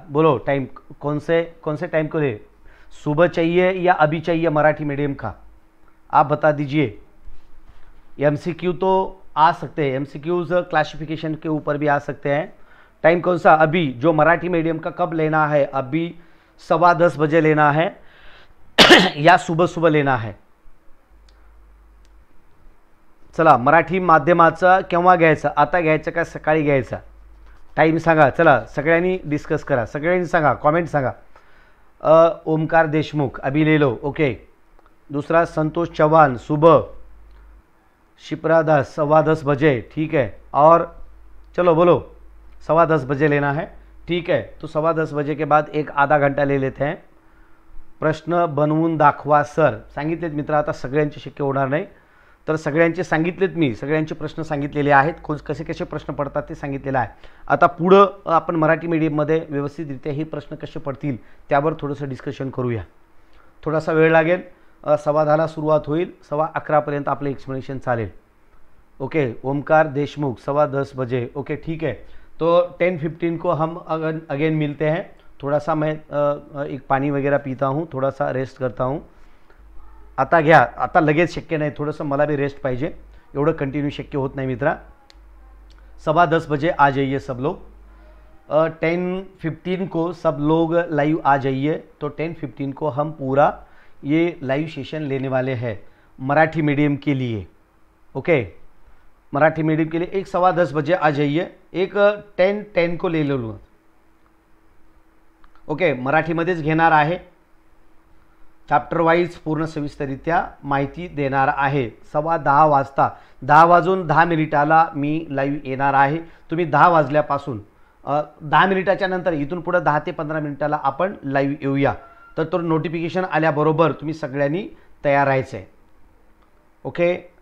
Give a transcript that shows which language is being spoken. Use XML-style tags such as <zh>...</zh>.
<hi>बोलो टाइम कौन से टाइम को ले, सुबह चाहिए या अभी चाहिए, मराठी मीडियम का आप बता दीजिए। एमसीक्यू तो आ सकते हैं, एमसीक्यूज क्लासिफिकेशन के ऊपर भी आ सकते हैं। टाइम कौन सा, अभी जो मराठी मीडियम का कब लेना है, अभी 10:15 लेना है या सुबह सुबह लेना है।</hi> <mr>चला मराठी माध्यमाचा केव्हा घ्यायचं, आता घ्यायचं का सकाळी घ्यायचं, टाइम सांगा, चला सगळ्यांनी डिस्कस करा, सगळ्यांनी सांगा, कमेंट सांगा।</mr> <hi>ओमकार देशमुख अभी ले लो, ओके। दूसरा संतोष चव्हाण सुबह, शिप्रा दास 10:15, ठीक है, और चलो बोलो 10:15 लेना है, ठीक है। तो 10:15 के बाद एक आधा घंटा ले लेते हैं,</hi> <mr>प्रश्न बनवून दाखवा सर, सांगितलेत मित्र, आता सगळ्यांचे शक्य होणार नाही, तर सगळ्यांचे सांगितलेत मी, सगळ्यांचे प्रश्न सांगितलेले आहेत, कोण कसे कसे प्रश्न पडतात ते सांगितलेलं आहे। आता पुढं आपण मराठी मीडियममध्ये व्यवस्थितरित्या हे प्रश्न कसे पडतील त्यावर थोडंसं डिस्कशन करूया, थोडासा वेळ लागेल, 10:15 सुरुवात होईल, 11:15 आपलं एक्सप्लेनेशन चालेल, ओके।</mr> <hi>ओमकार देशमुख 10:15, ओके ठीक है। तो 10:15 को हम अगेन मिलते हैं, थोड़ा सा मैं एक पानी वगैरह पीता हूँ, थोड़ा सा रेस्ट करता हूँ,</hi> <mr>आता घ्या, आता लगेच शक्य नाही, थोडंसं मला भी रेस्ट पाहिजे, एवढं कंटिन्यू शक्य होत नाही मित्रा।</mr> <hi>10:15 आ जाइए सब लोग, 10:15 को सब लोग लाइव आ जाइए। तो 10:15 को हम पूरा ये लाइव सेशन लेने वाले हैं मराठी मीडियम के लिए, ओके। मराठी मीडियम के लिए 11:15 आ जाइए, एक 10:10 को ले लो, ओके।</hi> <mr>मराठीमध्येच घेणार आहे, चॅप्टर वाईज पूर्ण सविस्तररित्या माहिती देणार आहे। 10:15, 10:10 मी लाईव्ह येणार आहे, तुम्ही 10 वाजल्यापासून, 10 मिनिटाच्या नंतर, इथून पुढे 10 ते 15 मिनिटाला आपण लाईव्ह येऊया, तर तो नोटिफिकेशन आल्याबरोबर तुम्ही सगळ्यांनी तयार राहायचंय, ओके।</mr>